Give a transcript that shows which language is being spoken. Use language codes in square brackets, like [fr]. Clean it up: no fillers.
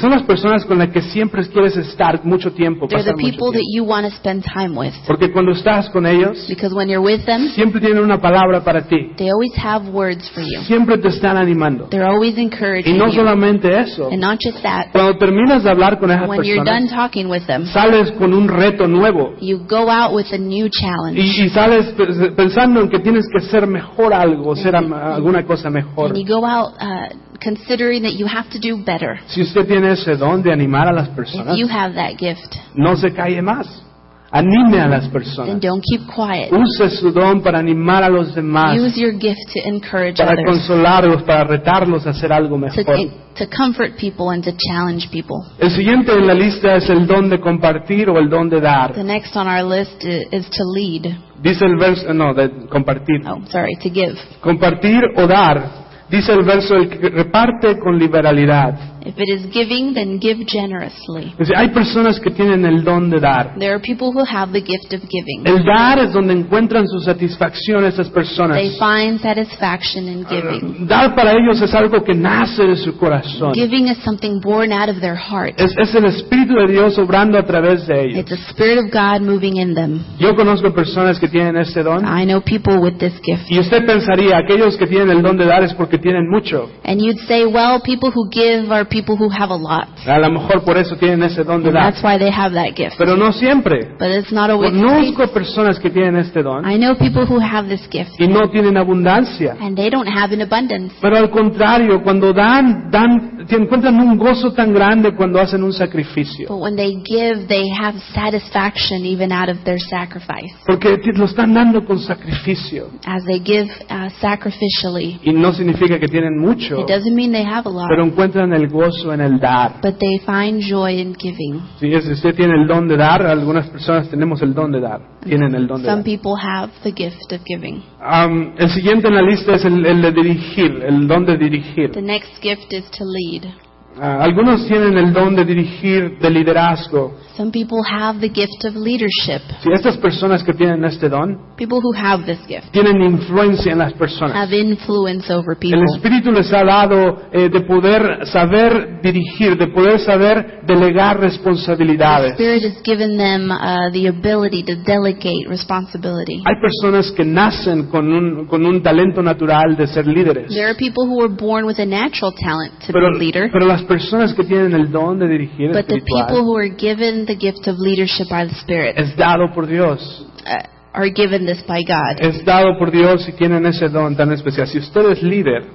[es] Son las personas con las que siempre quieres estar mucho tiempo. [en] They're the people that you want to spend time with. [es] Porque cuando estás con ellos. [en] Because when you're with them. [es] Siempre tienen una palabra para ti. [en] They always have words for you. [es] Siempre te están animando. [en] They're always encouraging [es] y no [en] you. [es] Solamente eso. [en] And not just that, [es] cuando terminas de hablar con esas [en] when [es] personas, [en] you're done talking with them, [es] sales con un reto nuevo. [en] You go out with a new challenge. [es] Y sales pensando en que tienes que ser mejor algo, ser alguna cosa mejor. [en] And you go out considering that you have to do better. [es] Si usted tiene ese don de animar a las personas, [en] if you have that gift, [es] no se calle más. Anime a las personas. [en] And don't keep quiet. [es] Use su don para animar a los demás. [en] Use your gift to encourage [es] para [en] others. [es] Para consolarlos, para retarlos a hacer algo mejor. [en] To comfort people and to challenge people. [es] El siguiente en la lista es el don de compartir o el don de dar. [en] The next on our list is to lead. [es] Dice el verso, no, de compartir. [en] Oh, sorry, to give. [es] Compartir o dar. Dice el verso, el que reparte con liberalidad. [en] If it is giving, then give generously. [es] Hay personas que tienen el don de dar. [en] There are people who have the gift of giving. [es] El dar es donde encuentran su satisfacción esas personas. [en] They find satisfaction in giving. [es] Dar para ellos es algo que nace de su corazón. [en] Giving is something born out of their heart. [es] Es el Espíritu de Dios obrando a través de ellos. [en] It's the Spirit of God moving in them. [es] Yo conozco personas que tienen este don. [en] I know people with this gift. [es] Y usted pensaría, aquellos que tienen el don de dar es porque tienen mucho. [en] And you'd say, well, people who give are people who have a lot. [es] A lo mejor por eso tienen ese don de dar. [en] That's why they have that gift. [es] Pero no siempre. [en] But it's not always. [es] Conozco personas que tienen este don. [en] I know people who have this gift. [es] Y no tienen abundancia. [en] And they don't have an abundance. [es] Pero al contrario, cuando dan, se encuentran un gozo tan grande cuando hacen un sacrificio. [en] But when they give, they have satisfaction even out of their sacrifice. [es] Porque lo están dando con sacrificio. [en] As they give sacrificially. [es] Y no significa que tienen mucho. [en] It doesn't mean they have a lot. [es] Pero encuentran el gozo en el dar. [en] But they find joy in giving. [es] Sí, si usted tiene el don de dar, algunas personas tenemos el don de dar. Tienen el don de [en] some [es] dar. [en] People have the gift of giving. [es] El siguiente en la lista es el de dirigir, el don de dirigir. [en] The next gift is to lead. [es] Algunos tienen el don de dirigir, de liderazgo. [en] Some people have the gift of leadership. [es] Sí, estas personas que tienen este don, [en] people who have this gift, [es] tienen influencia en las personas. [en] Have influence over people. [es] El Espíritu les ha dado de poder saber dirigir, de poder saber delegar responsabilidades. [en] The Spirit has given them the ability to delegate responsibility. [es] Hay personas que nacen con un talento natural de ser líderes. [en] There are people who were born with a natural talent to be a leader. [es] Pero las personas que tienen el don de dirigir [en] but [es] espiritual, [en] the people who are given the gift of leadership by the Spirit [es] es dado por Dios. [en] Are given this by God. [es] Es dado por Dios y tienen ese don tan especial. Si usted es líder,